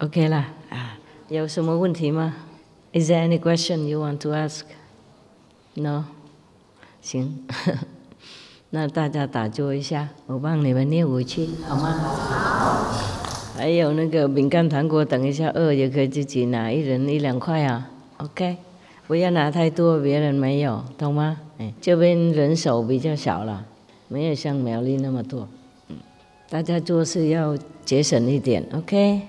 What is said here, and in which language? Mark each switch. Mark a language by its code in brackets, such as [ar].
[zh] 所以才本来让你们在那边，因为他们跟我说冬天没有味道，然后要保证一定没有的。哎，然后，懂吗？哎呀，好，没关系了，他们自己修修理自己道场也蛮漂亮的，自己用。 我们在这里比较安静，干净，好不好？嗯，OK啦。啊，有什么问题吗？ [en] Is there any question you want to ask? No? [zh] 行。 那大家打坐一下，我帮你们念回去，好吗？好。还有那个饼干糖果，等一下饿也可以自己拿，一人一两块啊。 OK， 不要拿太多，别人没有，懂吗？哎，这边人手比较少了，没有像苗栗那么多。嗯，大家做事要节省一点 ，OK？